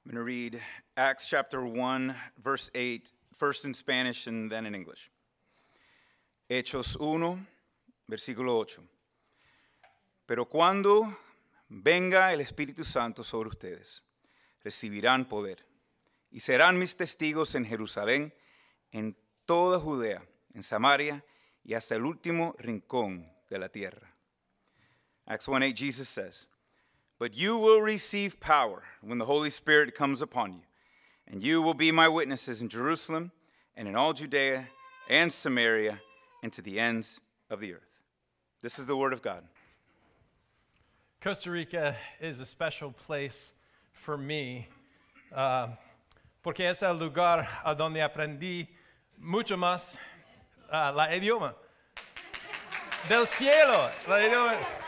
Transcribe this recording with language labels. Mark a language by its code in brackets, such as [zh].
[en] going to read Acts chapter 1, verse 8, first in Spanish and then in English. [es] Hechos 1, versículo 8. Pero cuando venga el Espíritu Santo sobre ustedes, recibirán poder y serán mis testigos en Jerusalén, en toda Judea, en Samaria y hasta el último rincón de la tierra. [en] Acts 1, 8, Jesus says, but you will receive power when the Holy Spirit comes upon you, and you will be my witnesses in Jerusalem and in all Judea and Samaria and to the ends of the earth. This is the word of God. Costa Rica is a special place for me, [es] porque es el lugar a donde aprendí mucho más la idioma del cielo, la idioma.